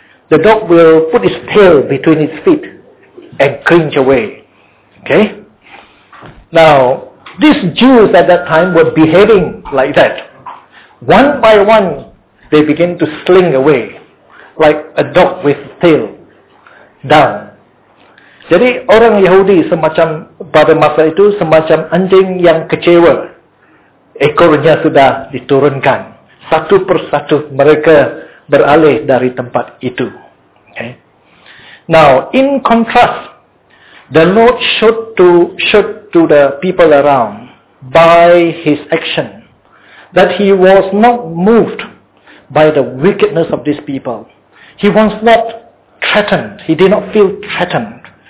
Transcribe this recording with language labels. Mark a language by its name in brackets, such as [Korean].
[English] The dog will put its tail between its feet and cringe away. Okay? Now, these Jews at that time were behaving like that. One by one, they begin to slink away like a dog with tail down. [Indonesian] Jadi orang Yahudi semacam pada masa itu semacam anjing yang kecewa. Ekornya sudah diturunkan. Satu persatu mereka beralih dari tempat itu. [English] Okay. Now, in contrast, the Lord showed to the people around by his action that he was not moved by the wickedness of these people. He was not threatened. He did not feel threatened.